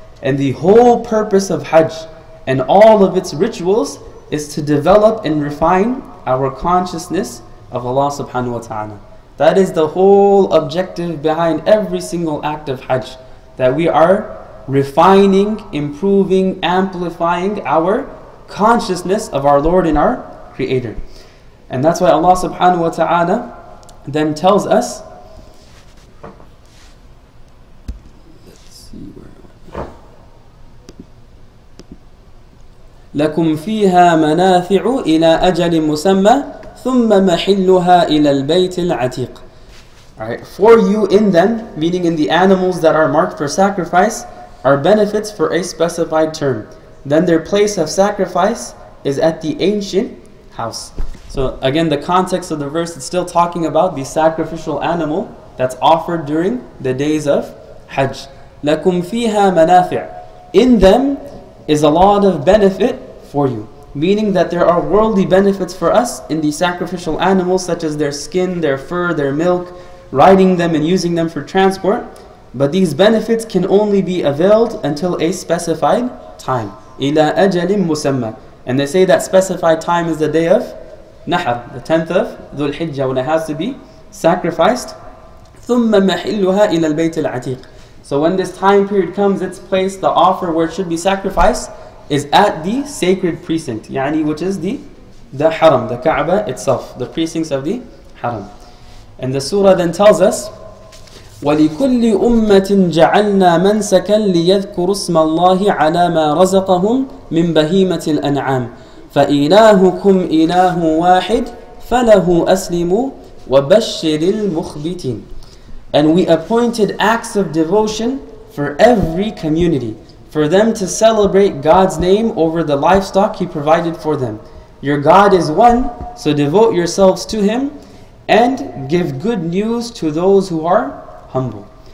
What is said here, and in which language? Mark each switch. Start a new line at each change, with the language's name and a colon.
English: And the whole purpose of Hajj and all of its rituals is to develop and refine our consciousness of Allah subhanahu wa ta'ala. That is the whole objective behind every single act of Hajj, that we are refining, improving, amplifying our consciousness of our Lord and our Creator. And that's why Allah subhanahu wa ta'ala then tells us,
Arabic: لَكُمْ فِيهَا مَنَافِعُ إِلَىٰ أَجَلٍ مُسَمَّى ثُمَّ مَحِلُّهَا إِلَىٰ الْبَيْتِ الْعَتِيقِ.
English: Alright, for you in them, meaning in the animals that are marked for sacrifice, are benefits for a specified term. Then their place of sacrifice is at the ancient house. So again, the context of the verse is still talking about the sacrificial animal that's offered during the days of Hajj.
Arabic: لَكُمْ فِيهَا مَنَافِعُ.
English: In them is a lot of benefit for you. Meaning that there are worldly benefits for us in the sacrificial animals, such as their skin, their fur, their milk, riding them and using them for transport. But these benefits can only be availed until a specified time.
Arabic: إِلَىٰ أَجَلٍ مُسَمَّى.
English: And they say that specified time is the day of Nahar, the 10th of Dhul Hijjah, when it has to be sacrificed.
Arabic: ثُمَّ مَحِلُّهَا إِلَىٰ الْبَيْتِ الْعَتِيقِ.
English: So when this time period comes, its place, the offer where it should be sacrificed, is at the sacred precinct, يعني, which is the haram, the Kaaba itself, the precincts of the haram. And the surah then tells us,
Arabic: وَلِكُلِّ أُمَّةٍ جَعَلْنَا مَنْسَكًا لِيَذْكُرُ اسْمَ اللَّهِ عَلَى مَا رَزَقَهُمْ مِنْ بَهِيمَةِ الْأَنْعَامِ فَإِلَهُكُمْ إِلَهُ وَاحِدٌ فَلَهُ أَسْلِمُوا وَبَشِّرِ الْمُخْبِتِينَ.
English: And we appointed acts of devotion for every community, for them to celebrate God's name over the livestock He provided for them. Your God is one, so devote yourselves to Him and give good news to those who are humble.